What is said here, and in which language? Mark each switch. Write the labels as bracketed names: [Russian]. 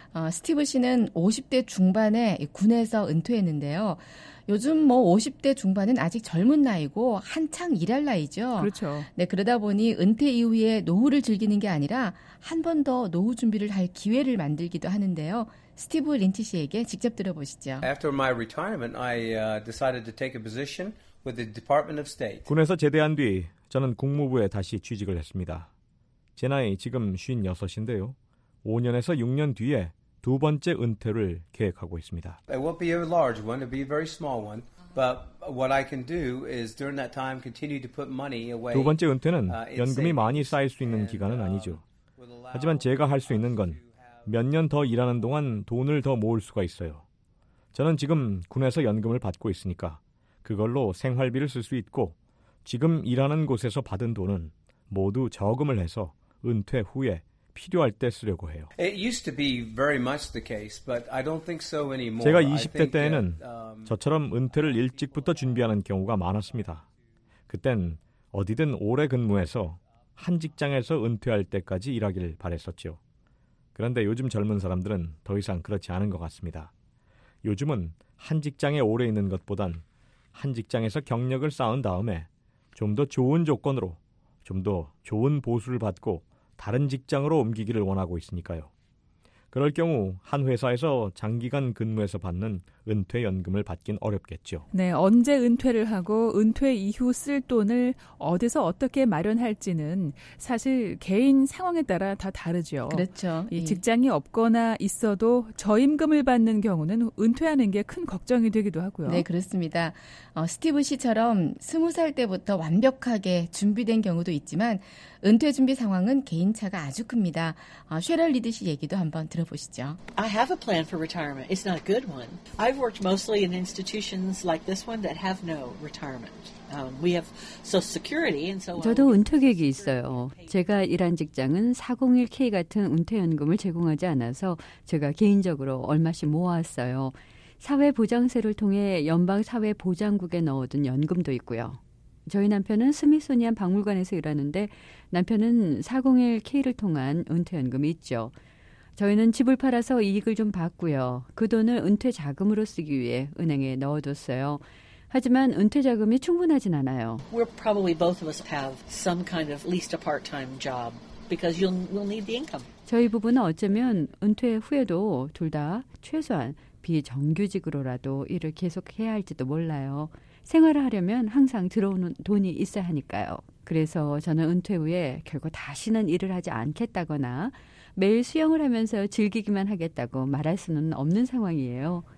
[Korean] 스티브 씨는 50대 중반에 군에서 은퇴했는데요. 요즘 뭐 50대 중반은 아직 젊은 나이고 한창 일할 나이죠. 그렇죠. 네, 그러다 보니 은퇴 이후에 노후를 즐기는 게 아니라 한 번 더 노후 준비를 할 기회를 만들기도 하는데요. 스티브 린치 씨에게 직접 들어보시죠. [English] After my retirement, I decided to take a position with the Department of State. [Korean] 군에서 제대한 뒤 저는 국무부에 다시 취직을 했습니다. 제 나이 지금 56인데요. 5년에서 6년 뒤에 두 번째 은퇴를 계획하고 있습니다. [English] It won't be a large one, it'll be a very small one. But what I can do is during that time continue to put money away. [Korean] 두 번째 은퇴는 연금이 많이 쌓일 수 있는 기간은 아니죠. 하지만 제가 할 수 있는 건 몇 년 더 일하는 동안 돈을 더 모을 수가 있어요. 저는 지금 군에서 연금을 받고 있으니까 그걸로 생활비를 쓸 수 있고 지금 일하는 곳에서 받은 돈은 모두 저금을 해서 은퇴 후에 필요할 때 쓰려고 해요. [English] It used to be very much the case, but I don't think so anymore. [Korean] 제가 20대 때에는 저처럼 은퇴를 일찍부터 준비하는 경우가 많았습니다. 그땐 어디든 오래 근무해서 한 직장에서 은퇴할 때까지 일하길 바랬었죠. 그런데 요즘 젊은 사람들은 더 이상 그렇지 않은 것 같습니다. 요즘은 한 직장에 오래 있는 것보단 한 직장에서 경력을 쌓은 다음에 좀 더 좋은 조건으로 좀 더 좋은 보수를 받고 다른 직장으로 옮기기를 원하고 있으니까요. 그럴 경우 한 회사에서 장기간 근무해서 받는 은퇴연금을 받긴 어렵겠죠. 네, 언제 은퇴를 하고 은퇴 이후 쓸 돈을 어디서 어떻게 마련할지는 사실 개인 상황에 따라 다 다르죠. 그렇죠. 이 직장이 없거나 있어도 저임금을 받는 경우는 은퇴하는 게 큰 걱정이 되기도 하고요. 네, 그렇습니다. 스티브 씨처럼 20살 때부터 완벽하게 준비된 경우도 있지만 은퇴 준비 상황은 개인 차가 아주 큽니다. 쉐럴 리드 씨 얘기도 한번 들어보시죠. [English] I have a plan for retirement. It's not a good one. I've worked mostly in institutions like this one that have no retirement. We have Social Security and so on. [Korean] 저도 은퇴 계획이 있어요. 제가 일한 직장은 401k 같은 은퇴연금을 제공하지 않아서 제가 개인적으로 얼마씩 모았어요. 사회보장세를 통해 연방사회보장국에 넣어둔 연금도 있고요. 저희 남편은 스미소니안 박물관에서 일하는데 남편은 401k를 통한 은퇴연금이 있죠. 저희는 집을 팔아서 이익을 좀 봤고요. 그 돈을 은퇴 자금으로 쓰기 위해 은행에 넣어뒀어요. 하지만 은퇴 자금이 충분하진 않아요. [English] We're probably both of us have some kind of at least a part-time job because you'll need the income. [Korean] 저희 부부는 어쩌면 은퇴 후에도 둘 다 최소한 비정규직으로라도 일을 계속해야 할지도 몰라요. 생활을 하려면 항상 들어오는 돈이 있어야 하니까요. 그래서 저는 은퇴 후에 결국 다시는 일을 하지 않겠다거나 매일 수영을 하면서 즐기기만 하겠다고 말할 수는 없는 상황이에요.